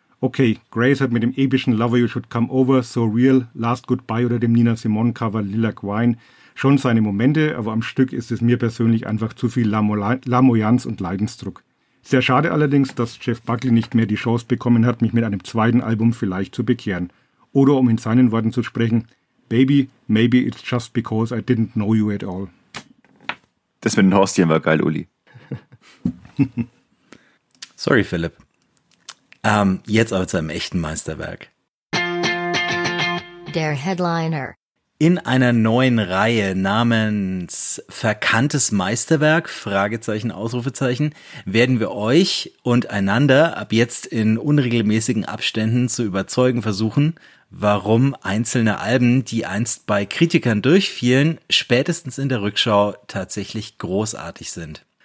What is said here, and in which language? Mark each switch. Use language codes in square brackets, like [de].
[de] Okay, Grace hat mit dem epischen Lover You Should Come Over, So Real, Last Goodbye oder dem Nina Simone-Cover Lilac Wine schon seine Momente, aber am Stück ist es mir persönlich einfach zu viel Lamoyanz und Leidensdruck. Sehr schade allerdings, dass Jeff Buckley nicht mehr die Chance bekommen hat, mich mit einem zweiten Album vielleicht zu bekehren. Oder um in seinen Worten zu sprechen, [en] Baby, maybe it's just because I didn't know you at all. [de] Das mit dem Horstchen war geil, Uli. Sorry, Philipp. Jetzt aber zu einem echten Meisterwerk. Der Headliner. In einer neuen Reihe namens Verkanntes Meisterwerk, Fragezeichen, Ausrufezeichen, werden wir euch und einander ab jetzt in unregelmäßigen Abständen zu überzeugen versuchen, warum einzelne Alben, die einst bei Kritikern durchfielen, spätestens in der Rückschau tatsächlich großartig sind.